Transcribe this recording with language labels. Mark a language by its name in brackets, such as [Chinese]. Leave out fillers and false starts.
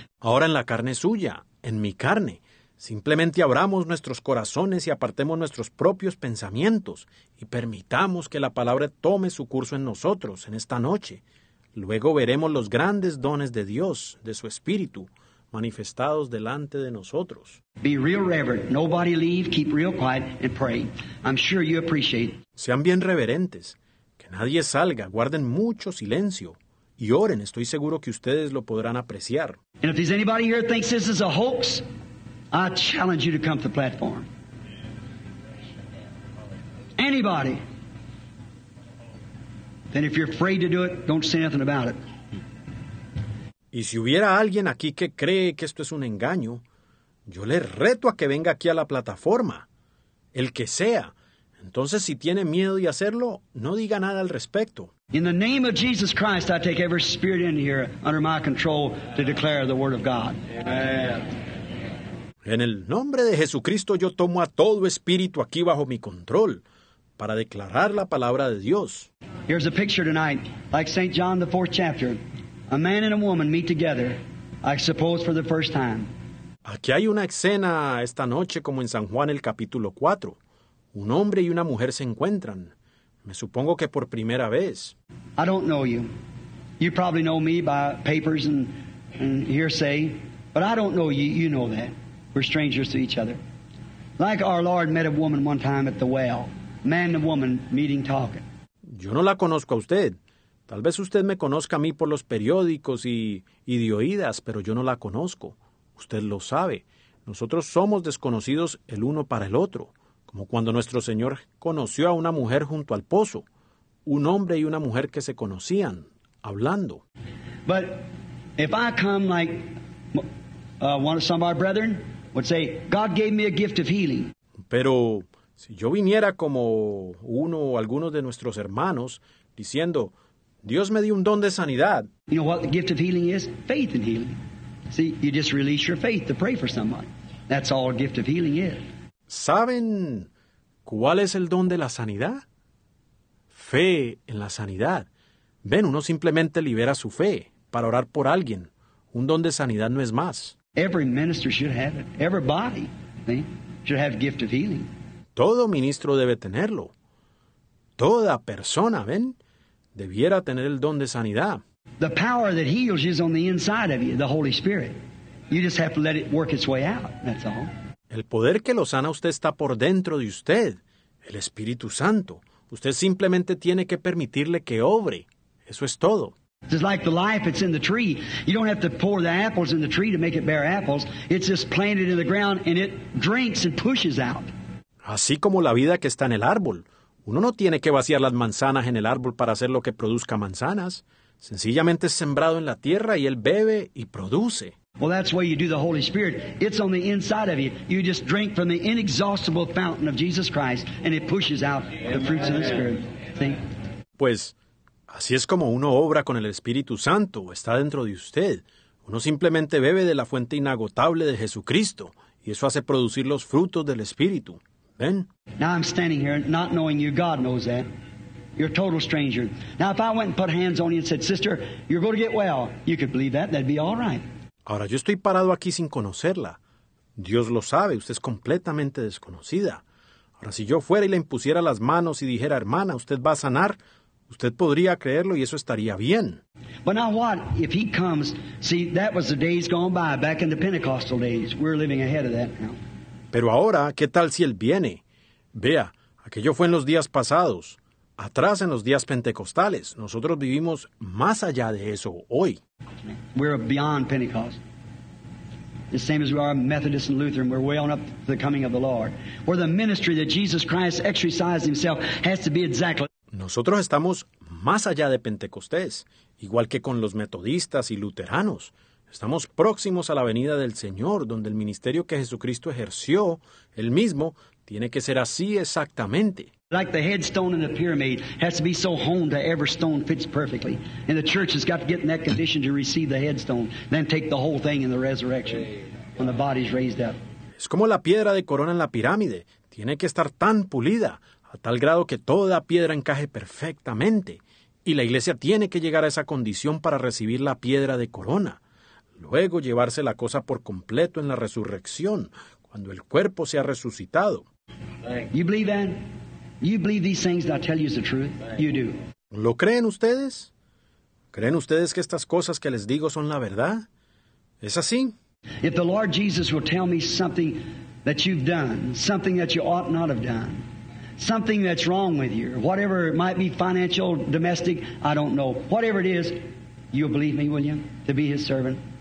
[Spanish] Ahora en la carne suya, en mi carne, simplemente abramos nuestros corazones y apartemos nuestros propios pensamientos y permitamos que la palabra tome su curso en nosotros en esta noche. Luego veremos los grandes dones de Dios, de su Espíritu, manifestados delante de nosotros. [English] Be real reverent. Nobody leave. Keep real quiet and pray. I'm sure you appreciate. [Spanish] Sean bien reverentes. Que nadie salga. Guarden mucho silencio. Y oren. Estoy seguro que ustedes lo podrán apreciar. [English] And if there's anybody here who thinks this is a hoax, I challenge you to come to the platform. anybody, then if you're afraid to do it, don't say nothing about it. [Spanish] Y si hubiera alguien aquí que cree que esto es un engaño, yo le reto a que venga aquí a la plataforma, el que sea. Entonces, si tiene miedo de hacerlo, no diga nada al respecto. [English] In the name of Jesus Christ, I take every spirit in here under my control to declare the word of God. Amen. [Spanish] En el nombre de Jesucristo, yo tomo a todo espíritu aquí bajo mi control para declarar la palabra de Dios. [English] Here's a picture tonight, like St. John, the fourth chapter. A man and a woman meet together, I suppose for the first time. [Spanish] Aquí hay una escena esta noche como en San Juan el capítulo 4. Un hombre y una mujer se encuentran. Me supongo que por primera vez. [English] I don't know you. You probably know me by papers and hearsay, but I don't know you. You know that. We're strangers to each other. Like our Lord met a woman one time at the well. Man and woman meeting, talking. [Spanish] Yo no la conozco a usted. Tal vez usted me conozca a mí por los periódicos y de oídas, pero yo no la conozco. Usted lo sabe. Nosotros somos desconocidos el uno para el otro, como cuando nuestro Señor conoció a una mujer junto al pozo, un hombre y una mujer que se conocían, hablando. [English] But if I come like one of some of our brethren would say, God gave me a gift of healing. [Spanish] Pero si yo viniera como uno o algunos de nuestros hermanos diciendo, Dios me dio un don de sanidad. [English] You know what the gift of healing is? Faith in healing. See, you just release your faith to pray for somebody. That's all a gift of healing is. [Spanish] ¿Saben cuál es el don de la sanidad? Fe en la sanidad. Ven, uno simplemente libera su fe para orar por alguien. Un don de sanidad no es más. [English] Every minister should have it. Everybody, should have gift of healing. [Spanish] Todo ministro debe tenerlo. Toda persona, ven, debiera tener el don de sanidad. [English] The power that heals is on the inside of you, the Holy Spirit. You just have to let it work its way out, that's all. [Spanish] El poder que lo sana usted está por dentro de usted, el Espíritu Santo. Usted simplemente tiene que permitirle que obre. Eso es todo. [English] It's like the life that's in the tree. You don't have to pour the apples in the tree to make it bear apples. It's just planted in the ground and it drinks and pushes out. [Spanish] Así como la vida que está en el árbol. Uno no tiene que vaciar las manzanas en el árbol para hacer lo que produzca manzanas. Sencillamente es sembrado en la tierra y él bebe y produce. [English] Well, that's why you do the Holy Spirit. It's on the inside of you. You just drink from the inexhaustible fountain of Jesus Christ, and it pushes out the fruits of the Spirit. See? [Spanish] Pues, así es como uno obra con el Espíritu Santo. Está dentro de usted. Uno simplemente bebe de la fuente inagotable de Jesucristo, y eso hace producir los frutos del Espíritu. ¿Ven? [English] Now I'm standing here, not knowing you. God knows that. You're a total stranger. Now, if I went and put hands on you and said, Sister, you're going to get well, you could believe that. That'd be all right. [Spanish] Ahora, yo estoy parado aquí sin conocerla. Dios lo sabe, usted es completamente desconocida. Ahora, si yo fuera y le impusiera las manos y dijera, hermana, usted va a sanar, usted podría creerlo y eso estaría bien. [English] But now what? If he comes, see, that was the days gone by, back in the Pentecostal days. We're living ahead of that now. [Spanish] Pero ahora, ¿qué tal si él viene? Vea, aquello fue en los días pasados. Atrás en los días pentecostales. Nosotros vivimos más allá de eso hoy. [English] We're beyond Pentecost. The same as we are Methodist and Lutheran. We're way on up to the coming of the Lord. Where the ministry that Jesus Christ exercised himself has to be exactly. [Spanish] Nosotros estamos más allá de Pentecostés, igual que con los metodistas y luteranos. Estamos próximos a la venida del Señor, donde el ministerio que Jesucristo ejerció, él mismo, tiene que ser así exactamente. [English] Like the headstone in the pyramid has to be so honed that every stone fits perfectly. And the church has got to get in that condition to receive the headstone, then take the whole thing in the resurrection when the body's raised up. [Spanish] Es como la piedra de corona en la pirámide. Tiene que estar tan pulida, a tal grado que toda piedra encaje perfectamente. Y la iglesia tiene que llegar a esa condición para recibir la piedra de corona. Luego llevarse la cosa por completo en la resurrección, cuando el cuerpo se ha resucitado. [English] You believe that? You believe these things that I tell you is the truth? You do. [Spanish] ¿Lo creen ustedes? ¿Creen ustedes que estas cosas que les digo son la verdad? ¿Es así? [English] If the Lord Jesus will tell me something that you've done, something that you ought not have done, something that's wrong with you, whatever it might be, financial, domestic, I don't know, whatever it is, you'll believe me, will you, to be his servant?